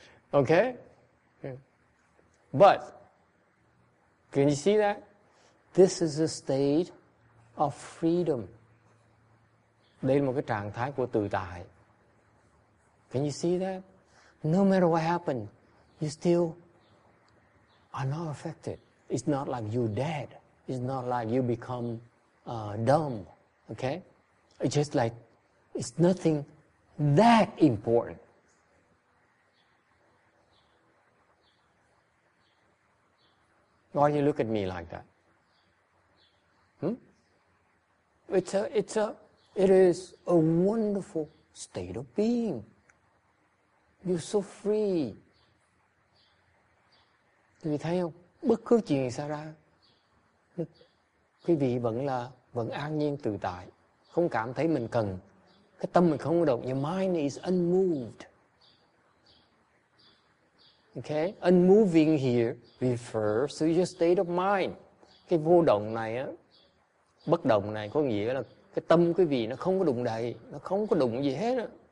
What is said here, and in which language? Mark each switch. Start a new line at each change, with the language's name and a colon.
English: Okay? But, can you see that? This is a state of freedom.
Vietnamese: Đây là một cái trạng thái của tự tại.
English: Can you see that? No matter what happened, you still are not affected. It's not like you're dead. It's not like you become dumb. Okay? It's just like it's nothing that important. Why do you look at me like that? It is a wonderful state of being. You're so free.
Vietnamese: Quý vị thấy không? Bất cứ chuyện gì xảy ra, quý vị vẫn an nhiên tự tại. Không cảm thấy mình cần. Cái tâm mình không động.
English: Your mind is unmoved. Okay? Unmoving here refers to your state of mind.
Vietnamese: Cái vô động này á, bất động này có nghĩa là cái tâm quý vị nó không có đụng đầy, nó không có đụng gì hết á.